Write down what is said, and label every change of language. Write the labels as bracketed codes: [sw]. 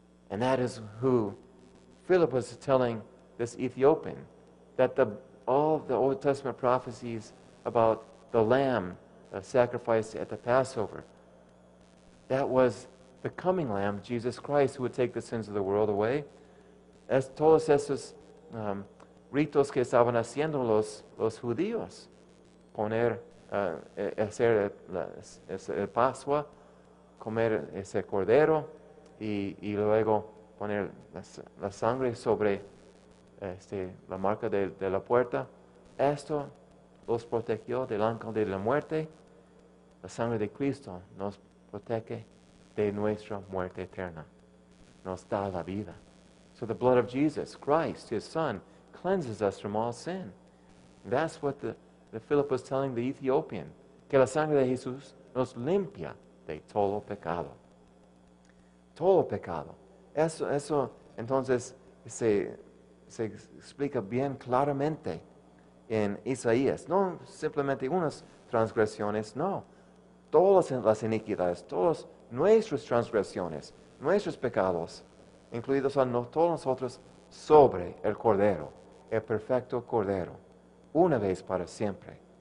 [en] And that is who Philip was telling this Ethiopian, that all the Old Testament prophecies about the lamb sacrificed at the Passover, that was the coming lamb, Jesus Christ, who would take the sins of the world away. [es] Todos esos ritos que estaban haciendo los judíos, poner, hacer el Pascua, comer ese cordero y luego poner la sangre sobre la marca de la puerta, esto los protegió del ángel de la muerte. La sangre de Cristo nos protege de nuestra muerte eterna, nos da la vida. [en] So the blood of Jesus Christ, his son, cleanses us from all sin. That's what the Philip was telling the Ethiopian. [es] Que la sangre de Jesús nos limpia de todo pecado. Todo pecado. Eso entonces se explica bien claramente en Isaías. No simplemente unas transgresiones, no. Todas las iniquidades, todas nuestras transgresiones, nuestros pecados, incluidos a todos nosotros sobre el Cordero, el perfecto Cordero, una vez para siempre.